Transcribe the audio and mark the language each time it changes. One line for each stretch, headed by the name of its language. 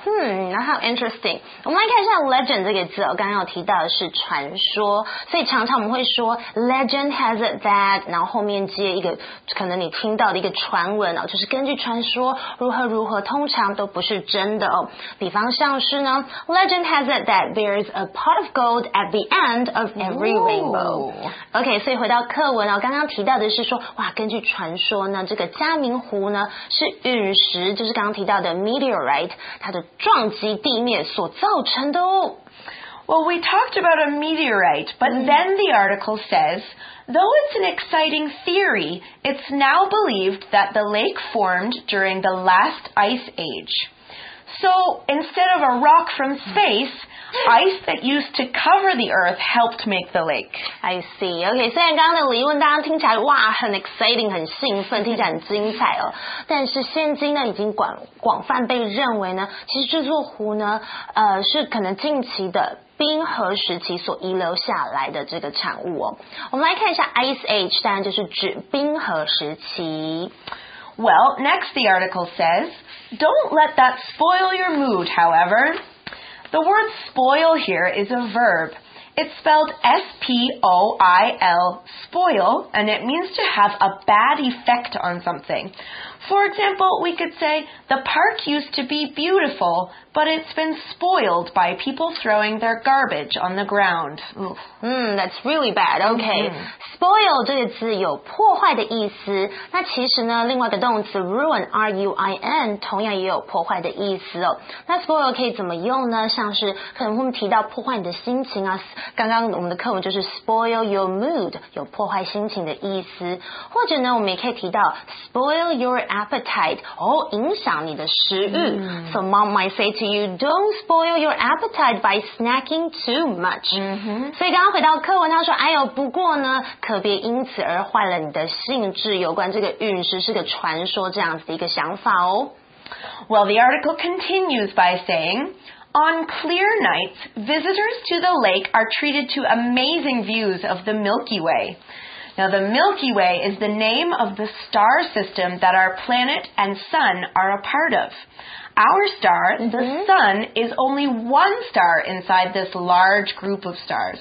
English: How interesting.
Chinese: 我们来看一下 legend 这个字，我刚刚有提到的是传说，所以常常我们会说
English: legend has it that,
Chinese: 然后后面接一个可能你听到的一个传闻，就是根据传说如何如何，通常都不是真的哦。比方像是呢，
English: legend has it that there's a pot of gold at the end of every rainbow.
Chinese: OK, 所以回到课文，刚刚提到的是说，哇，根据传说呢，这个嘉明湖呢是陨石，就是刚刚提到的meteorite, 它的撞击地面所造成的哦。
English: Well, we talked about a meteorite, but then the article says, though it's an exciting theory, it's now believed that the lake formed during the last ice age. So, instead of a rock from space, ice that used to cover the earth helped make the lake. I see. Okay,
Chinese: 虽然刚刚的疑问大家听起来哇很 exciting 很兴奋，听起来很精彩哦。但是现今呢，已经广泛被认为呢，其实这座湖呢，是可能近期的冰河时期所遗留下来的这个产物哦。我们来看一下 ice age， 当然就是指冰河时期。
English: Well, next the article says, don't let that spoil your mood, however. The word spoil here is a verb. It's spelled S-P-O-I-L, spoil, and it means to have a bad effect on something. For example, we could say, the park used to be beautiful, but it's been spoiled by people throwing their garbage on the ground. That's really bad. Okay.
Chinese: Spoil 这个字有破坏的意思。那其实呢，另外的动词 ruin, R-U-I-N, 同样也有破坏的意思哦。那 spoil 可以怎么用呢？像是可能我们提到破坏你的心情啊，刚刚我们的课文就是
English: spoil your mood,
Chinese: 有破坏心情的意思。或者呢，我们也可以提到
English: spoil your appetite,
Chinese: 哦，影响你的食欲。
English: So mom might say to you, don't spoil your appetite by snacking too much. Mm-hmm.
Chinese: 所以刚刚回到课文，他说，哎呦，不过呢，可别因此而坏了你的兴致，有关这个陨石是个传说这样子的一个想法哦。
English: Well, the article continues by saying, On clear nights, visitors to the lake are treated to amazing views of the Milky Way. Now, the Milky Way is the name of the star system that our planet and sun are a part of. Our star, the sun, is only one star inside this large group of stars.